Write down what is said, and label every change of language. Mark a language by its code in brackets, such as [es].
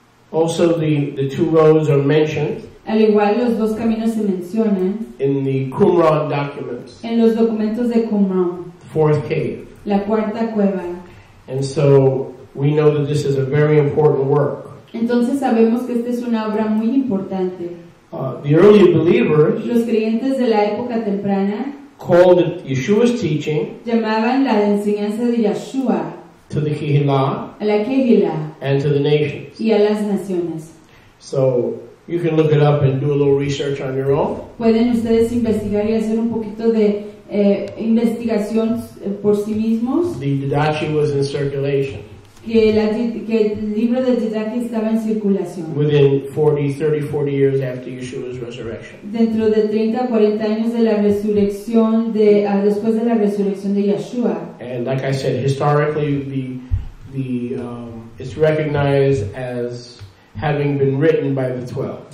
[en] Also the two roads are mentioned. [es] Al igual los dos caminos se mencionan. [en] In the Qumran documents. [es] En los documentos de Qumran. [en] Fourth cave. [es] La cuarta cueva. [en] And so we know that this is a very important work. [es] Entonces sabemos que esta es una obra muy importante. [en] The early believers, [es] los creyentes de la época temprana, [en] called it Yeshua's teaching, [es] llamaban la enseñanza de Yeshua, [en] to the Kehilah, [es] a la Kehilah, [en] and to the nations, [es] y a las naciones. [en] So you can look it up and do a little research on your own. [es] Pueden ustedes investigar y hacer un poquito de investigación por sí mismos. [en] The Didache was in circulation. [es] Que el libro de Didache estaba en circulación. [en] Within 30-40 years after Yeshua's resurrection. [es] Dentro de 30-40 años de la resurrección después de la resurrección de Yeshua. [en] And like I said, historically the it's recognized as having been written by the 12.